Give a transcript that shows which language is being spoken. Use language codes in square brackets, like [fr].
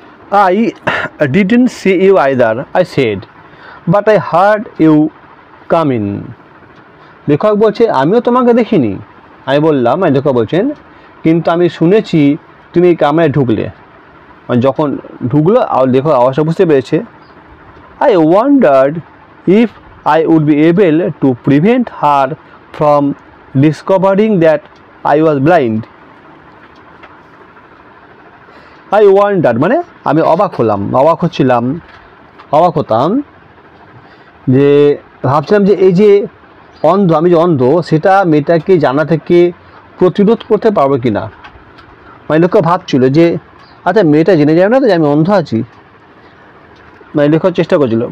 [en] I didn't see you either, I said, but I heard you come in. [bn] লেখক বলছে আমিও তোমাকে দেখিনি, আমি বললাম, মানে লেখক বলছেন কিন্তু আমি শুনেছি তুমি এই কামরায় ঢুকলে, মানে যখন ঢুকলো লেখক আওয়াজটা বুঝতে পেরেছে। [en] I wondered if I would be able to prevent her from discovering that I was blind. I wonder [bn] মানে আমি অবাক হলাম, অবাক হচ্ছিলাম, অবাক হতাম যে ভাবছিলাম যে এই যে অন্ধ, আমি যে অন্ধ সেটা মেয়েটাকে জানা থেকে প্রতিরোধ করতে পারবো কি না। মানে লোক ভাবছিল যে আচ্ছা মেয়েটা জেনে যাবে না তো যে আমি অন্ধ আছি, মানে লেখার চেষ্টা করছিল।